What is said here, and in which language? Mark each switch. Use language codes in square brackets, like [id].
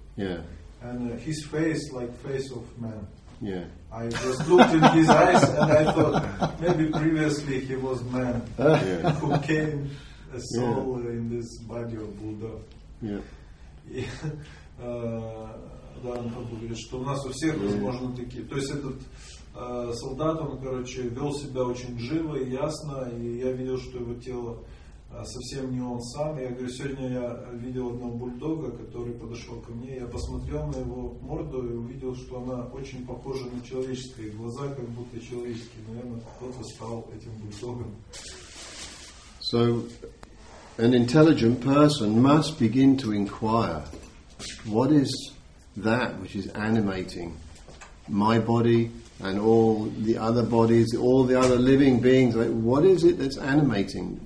[en] Yeah. And his face, like face of man. Yeah. I just looked in his eyes and I thought maybe previously he was man who came a soul in this body of bulldog. Yeah. [ru] Да, он говорит, что у нас у всех возможно такие. То есть этот солдат, он, короче, вел себя очень живо и ясно, и я видел, что его тело совсем не он сам. Я говорю, сегодня я видел одного бульдога, который подошел ко мне, я посмотрел на его морду и увидел, что она очень похожа на человеческие глаза, как будто человеческие. Наверное, кто-то стал этим бульдогом. [en] So, an intelligent person must begin to inquire, what is that which is animating my body and all the other bodies, all the other living beings, like what is it that's animating?